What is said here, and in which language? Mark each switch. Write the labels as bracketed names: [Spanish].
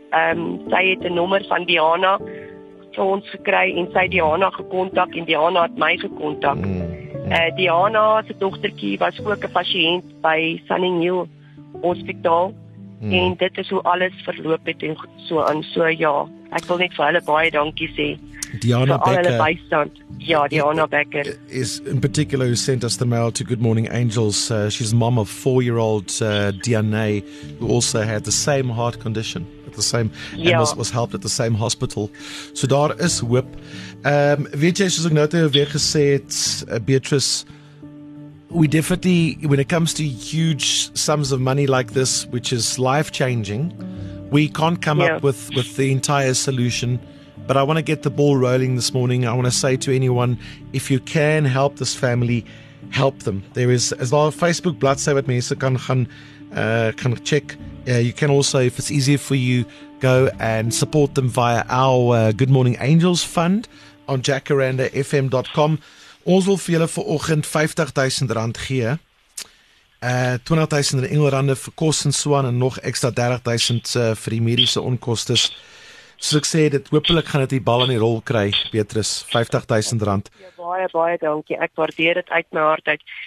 [Afrikaans] Sy het 'n nommer van Diana vir ons gekry en sy het Diana gekontak en Diana het my gekontak. Diana se dogtertjie was ook 'n pasiënt by Sunninghill Hospitaal en dit is hoe alles verloop het en so aan. So ja, ek wil net vir hulle baie dankie sê. Diana Becker. Diana Becker. [English] Is in particular who sent us the mail to Good Morning Angels. She's mom of 4-year-old Diana, who also had the same heart condition, was helped at the same hospital. [Afrikaans] So daar is hoop. Weet jy, soos ek nou toe weer gesê het, [English] Beatrice, we definitely, when it comes to huge sums of money like this, which is life-changing, we can't come up with the entire solution. But I want to get the ball rolling this morning. I want to say to anyone, if you can help this family, help them. There is as well [Afrikaans] Facebook bladsy wat mense kan gaan kan check. [English] You can also, if it's easier for you, go and support them via our Good Morning Angels fund on jacaranda.fm.com. [Afrikaans] Ons wil vir julle vanoggend R50,000 gee. R20,000 in Engelrande vir kos en so aan en nog ekstra R30,000 vir die mediese onkoste. So ek sê dit, hoopelik gaan dit die bal in die rol kry, Beatrice, R50,000. Baie, baie dankie, ek waardeer dit uit my hart uit.